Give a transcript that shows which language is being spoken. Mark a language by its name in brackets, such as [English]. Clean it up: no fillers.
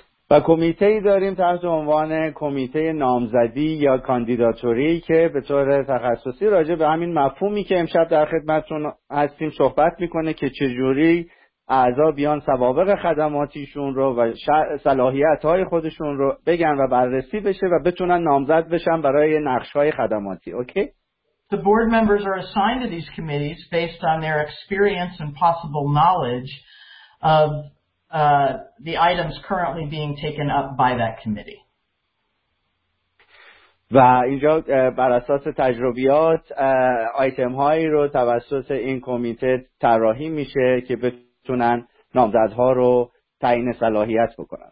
[Persian] و کمیته‌ای داریم تحت عنوان کمیته نامزدی یا کاندیداتوری که به طور تخصصی راجع به همین مفهومی که امشب در خدمتتون هستیم صحبت میکنه که چجوری اعضا بیان سوابق خدماتیشون رو و صلاحیت‌های خودشون رو بگن و بررسی بشه و بتونن نامزد بشن برای نقش‌های خدماتی. اوکی؟ [English] The board members are assigned to these committees based on their experience and possible knowledge of the items currently being taken up by that committee. [Persian] و اینجا بر اساس تجربیات آیتم‌هایی رو توسط این کمیته طراحی میشه که بتونن نامزدها رو تعیین صلاحیت بکنن.